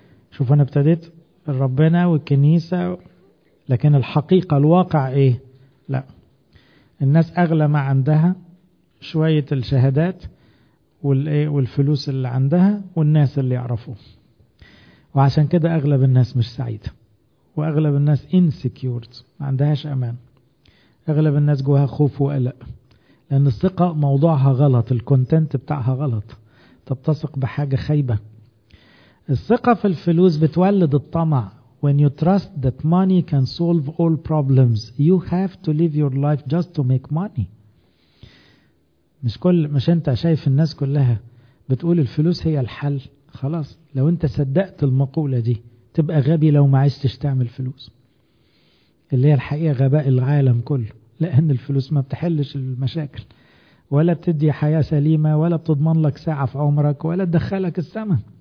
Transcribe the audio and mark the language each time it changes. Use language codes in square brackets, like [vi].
[ar] شوف أنا ابتديت ربنا والكنيسة، لكن الحقيقة الواقع إيه؟ لا، الناس أغلى ما عندها شوية الشهادات والفلوس اللي عندها والناس اللي يعرفوا، وعشان كده أغلب الناس مش سعيدة، واغلب الناس انسكيورت، ما عندهاش امان، اغلب الناس جواها خوف وقلق، لان الثقه موضوعها غلط، الكونتنت بتاعها غلط. طب تثق بحاجه خايبه. الثقه في الفلوس بتولد الطمع. [en] When you trust that money can solve all problems, you have to live your life just to make money. [ar] مش انت شايف الناس كلها بتقول الفلوس هي الحل؟ خلاص، لو انت صدقت المقوله دي تبقى غبي لو ما عايزتش تعمل فلوس، اللي هي الحقيقة غباء العالم كله، لأن الفلوس ما بتحلش المشاكل ولا بتدي حياة سليمة ولا بتضمن لك ساعة في عمرك ولا تدخلك السماء.